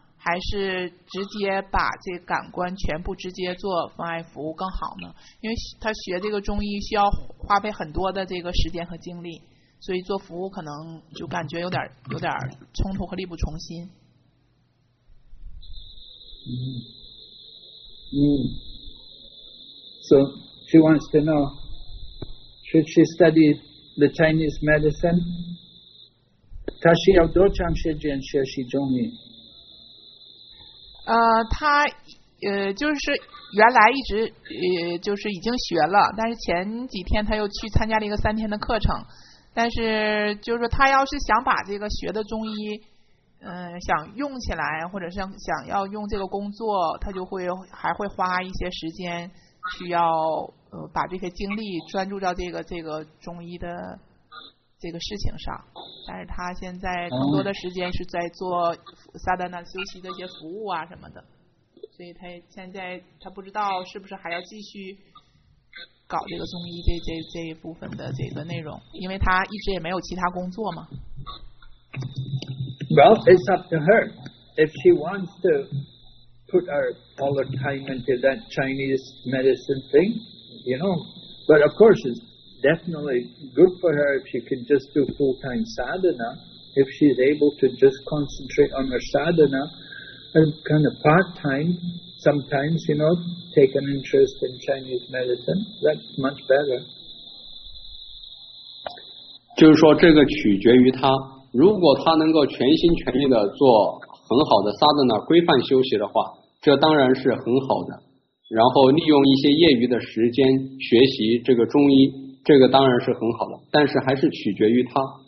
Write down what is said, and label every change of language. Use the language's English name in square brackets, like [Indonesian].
[Chinese] 还是直接把这感官全部直接做妨碍服务更好呢？因为他学这个中医需要花费很多的这个时间和精力，所以做服务可能就感觉有点冲突和力不从心。 [English] 嗯嗯 ，So she wants to know, should she study the Chinese medicine? [Chinese] 她需要多长时间学习中医？他就是原来一直就是已经学了，但是前几天他又去参加了一个三天的课程，但是就是他要是想把这个学的中医想用起来，或者是想要用这个工作，他就会还会花一些时间需要把这些精力专注到这个中医的这个事情上，但是他现在更多的时间是在做萨达纳休息的一些服务啊什么的，所以他现在他不知道是不是还要继续搞这个中医这一部分的这个内容，因为他一直也没有其他工作嘛。 [English] Well, it's up to her. If she wants to put her all her time into that Chinese medicine thing, you know, but of course it'sDefinitely good for her if she can just do full-time sadhana. If she's able to just concentrate on her sadhana and kind of part-time, sometimes, you know, take an interest in Chinese medicine, that's much better. [Chinese] 就是说这个取决于她，如果她能够全心全意地做很好的 sadhana 规范休息的话，这当然是很好的。然后利用一些业余的时间学习这个中医，这个当然是很好的，但是还是取决于他。